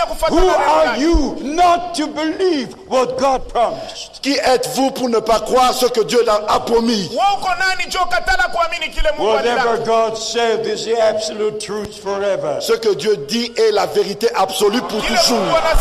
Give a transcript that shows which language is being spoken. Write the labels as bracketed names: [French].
[English] Who are you not to believe what God promised? [French] Qui êtes-vous pour ne pas croire ce que Dieu a promis? [English] Whatever God said is the absolute truth forever. [French] Ce que Dieu dit est la vérité absolue pour toujours.